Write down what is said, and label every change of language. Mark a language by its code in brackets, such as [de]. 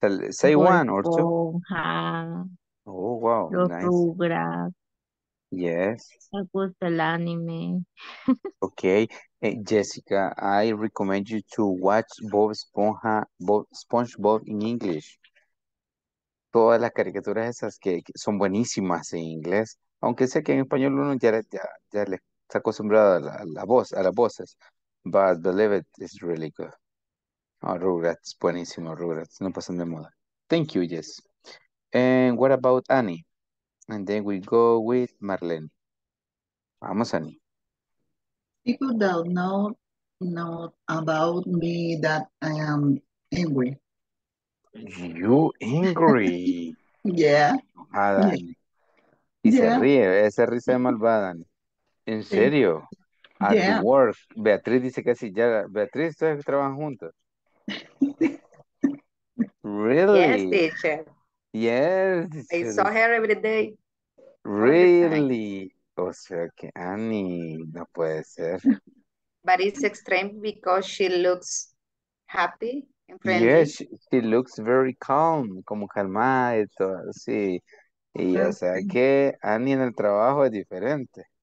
[en] Say one or two. Oh, wow. [es] Los Rugrats. [en] Yes. [es] Me gusta el anime. [en] Okay. Jessica, I recommend you to watch SpongeBob in English. [es] Todas las caricaturas esas que son buenísimas en inglés. Aunque sé que en español uno ya le está acostumbrado a las voces. [en] But believe it, it's really good. Oh, Rugrats, [es] buenísimo, Rugrats. No pasan de moda. [en] Thank you, Jess. And what about Annie? And then we go with Marlene. [es] Vamos, Annie. [en] People don't know about me that I am angry. You angry? Yeah. [es] Ah, Dani. Y yeah. Se ríe, esa risa de malvada. ¿En serio? [en] At yeah. The work. [es] Beatriz dice que sí. Ya, Beatriz, ustedes trabajan juntos. [en] Really? Yes, teacher. Yes. I saw her every day. Really? [es] O sea que Annie, no puede ser. [en] But it's extreme because she looks happy and friendly. Yes, she looks very calm, [es] como calmada y todo así. Y o sea que Annie en el trabajo es diferente.